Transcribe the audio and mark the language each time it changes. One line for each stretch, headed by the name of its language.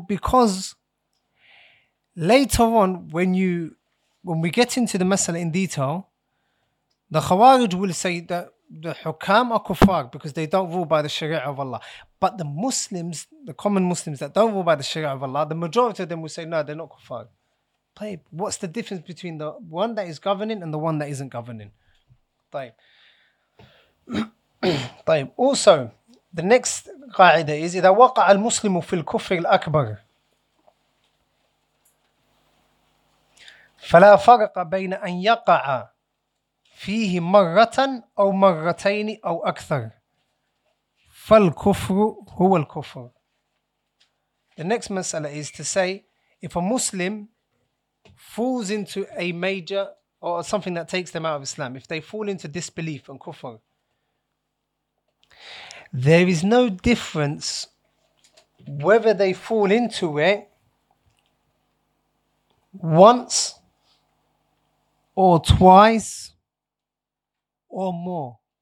English: Because later on, when we get into the masala in detail, the khawarij will say that the hukam are kuffar because they don't rule by the sharia of Allah. But the Muslims, the common Muslims that don't rule by the Sharia of Allah, the majority of them will say, no, they're not kuffar. Babe, what's the difference between the one that is governing and the one that isn't governing?
Arabic: طيب.
English: Also, the next qa'idah is,
Arabic: إذا وقع المسلم في الكفر الأكبر فلا فرق بين أن يقع فيه مرة أو مرتين أو أكثر فالكفر هو الكفر.
English: The next masala is to say, if a Muslim falls into a major or something that takes them out of Islam, if they fall into disbelief and kufr, there is no difference whether they fall into it once or twice or more.